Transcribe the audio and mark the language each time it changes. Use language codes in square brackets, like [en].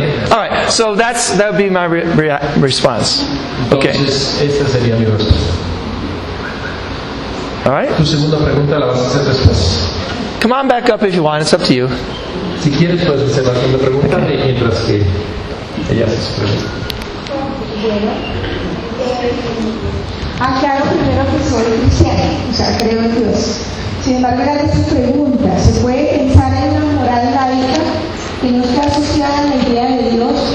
[en] All right, so that would be my response. Okay. [es] Entonces, esa sería mi respuesta. [en] All right. [es] Tu segunda pregunta la vas a hacer después. [en] Come on back up if you want. It's up to you. [es] Si quieres puedes hacer la segunda pregunta mientras que ella hace su pregunta. Aclaro primero que soy cristiana, o sea, creo en Dios. Sin embargo, era de su pregunta. ¿Se puede pensar en una moral laica que no está asociada a la idea de Dios?